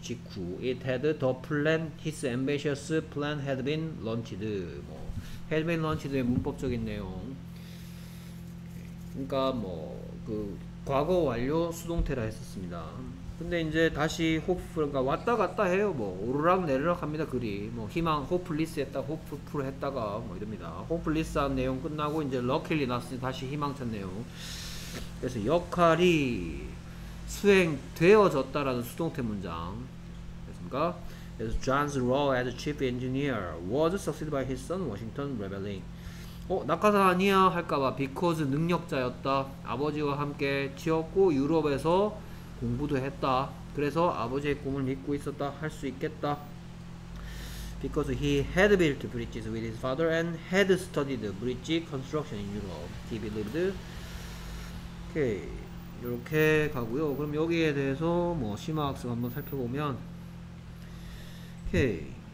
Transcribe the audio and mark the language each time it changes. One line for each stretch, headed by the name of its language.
Korean: 직후
English: it had the plan, his ambitious plan had been launched, 뭐 had been launched
Korean: 의 문법적인 내용. 그러니까 뭐 그 과거 완료 수동태라 했었습니다. 근데 이제 다시 hopeful, 그러니까 왔다 갔다 해요. 뭐 오르락 내리락 합니다. 글이 뭐 희망 hopeless 했다 hopeful 했다가 뭐 이럽니다. hopeless한 내용 끝나고 이제 luckily 났으니 다시 희망찬 내용. 그래서 역할이 수행되어졌다라는 수동태 문장 됐습니까?
English: John's role as chief engineer was succeeded by his son Washington Reveling.
Korean: 낙하산 아니야 할까봐 because 능력자였다, 아버지와 함께 지었고 유럽에서 공부도 했다, 그래서 아버지의 꿈을 믿고 있었다 할 수 있겠다.
English: Because he had built bridges with his father and had studied bridge construction in Europe, he believed.
Korean: Okay. 이렇게 가고요. 그럼 여기에 대해서 뭐 심화학습 한번 살펴보면, 오케이.